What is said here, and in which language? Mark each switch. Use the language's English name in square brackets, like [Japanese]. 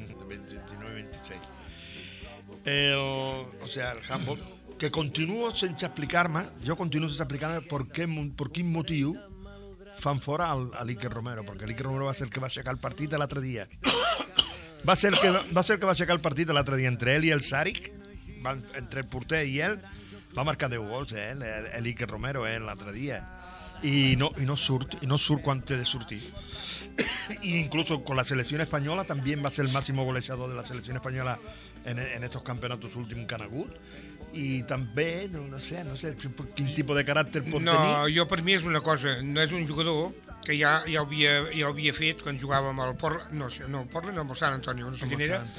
[Catalan] 29-26. El handball, que continuo sense explicar-me, per quin motiu fan fora l'Iker Romero, perquè l'Iker Romero va ser el que va aixecar el partit l'altre dia. va ser el que va aixecar el partit l'altre dia entre ell i el Saric, entre el porter i ell, va marcar 10 gols, l'Iker Romero, l'altre dia. I no surt quan té de sortir. [Spanish] I incluso con la selección española también va a ser el máximo goleador de la selección española en estos campeonatos últimos que [Catalan] han hagut. I també, no sé quin tipus de caràcter pot tenir. No, jo per mi és una cosa, no és un jugador que ja havia fet quan jugava amb el Portland, amb el Sant Antonio, no sé quin era.